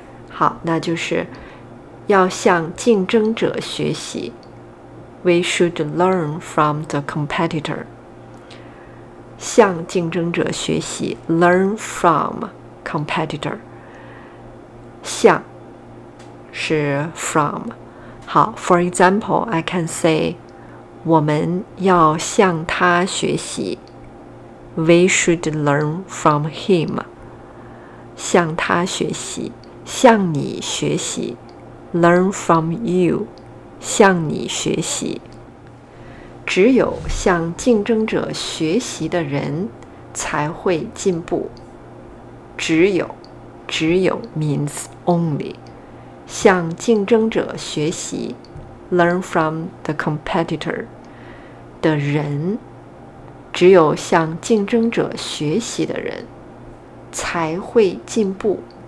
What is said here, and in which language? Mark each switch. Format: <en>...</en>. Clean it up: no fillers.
<zh>好，那就是要向竞争者学习。</zh> <en>We should learn from the competitor.</en> <zh>向竞争者学习</zh> <en>learn from competitor.</en> <zh>向是 from. 好，</zh> <en>for example, I can say,</en> <zh>我们要向他学习。</zh> <en>We should learn from him.</en> <zh>向他学习，向你学习。</zh> <en>Learn from you.</en> <zh>向你学习。只有向竞争者学习的人才会进步。</zh> <en>只有 means only.</en> <zh>向竞争者学习</zh> <en>learn from the competitor</en> <zh>的人，只有向竞争者学习的人才会进步。</zh>